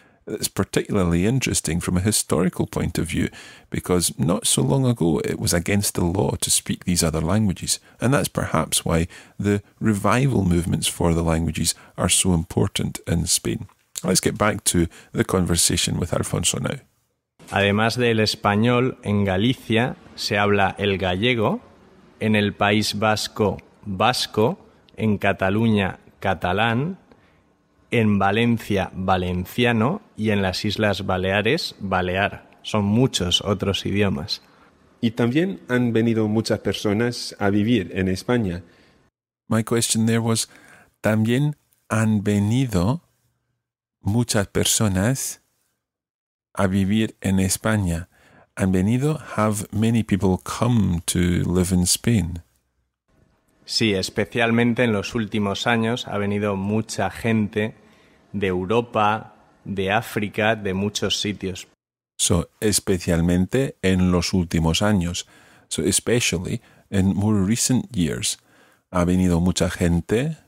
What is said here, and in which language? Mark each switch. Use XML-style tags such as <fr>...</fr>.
<en>It's particularly interesting from a historical point of view, because not so long ago it was against the law to speak these other languages, and that's perhaps why the revival movements for the languages are so important in Spain. Let's get back to the conversation with Alfonso now.</en> <es>Además del español, en Galicia se habla el gallego, en el País Vasco, vasco, en Cataluña, catalán, en Valencia, valenciano, y en las Islas Baleares, balear. Son muchos otros idiomas. Y también han venido muchas personas a vivir en España.</es> <en>My question there was,</en> <es>también han venido muchas personas a vivir en España. Han venido,</es> <en>have many people come to live in Spain.</en> <es>Sí, especialmente en los últimos años ha venido mucha gente de Europa, de África, de muchos sitios.</es> <en>So,</en> <es>especialmente en los últimos años.</es> <en>So, especially in more recent years.</en> <es>Ha venido mucha gente.</es>